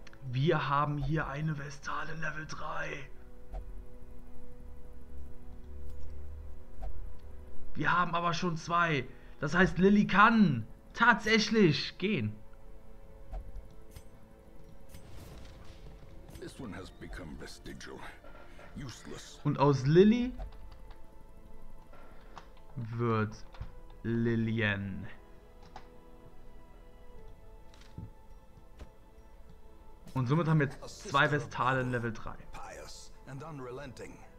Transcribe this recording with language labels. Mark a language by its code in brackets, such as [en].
[de] Wir haben hier eine Vestale Level 3. Wir haben aber schon zwei. Das heißt, Lilly kann tatsächlich gehen. [en] This one has become vestigial. Useless. [de] Und aus Lilly wird Lillian. Und somit haben wir jetzt zwei Vestalen Level 3. [en] Pious and unrelenting.